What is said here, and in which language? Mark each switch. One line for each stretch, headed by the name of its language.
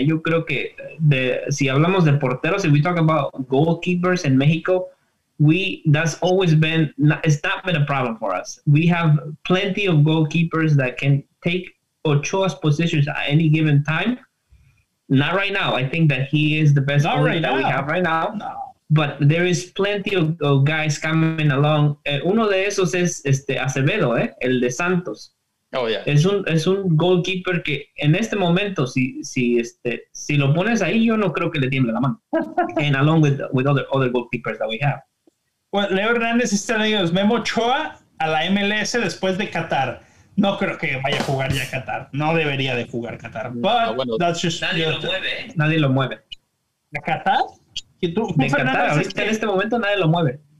Spanish: Yo creo que si hablamos de porteros,
English: if we talk about goalkeepers in Mexico, that's always been, it's not been a problem for us. We have plenty of goalkeepers that can take Ochoa's positions at any given time. Not right now. I think that he is the best goalie right that now. We have right now. No. But there is plenty of guys coming along.
Spanish: Uno de esos es Acevedo, el de Santos.
English: Oh, yeah.
Spanish: Es un goalkeeper que en este momento, si lo pones ahí, yo no creo que le tiemble la mano.
English: And along with other goalkeepers that we have. Well,
Spanish: Leo Hernández está diciendo, Memo Ochoa a la MLS después de Qatar. No creo que vaya a jugar ya Qatar. No debería de jugar Qatar.
English: But that's just...
Spanish: Nadie lo mueve. ¿A Qatar? En este momento nadie lo mueve.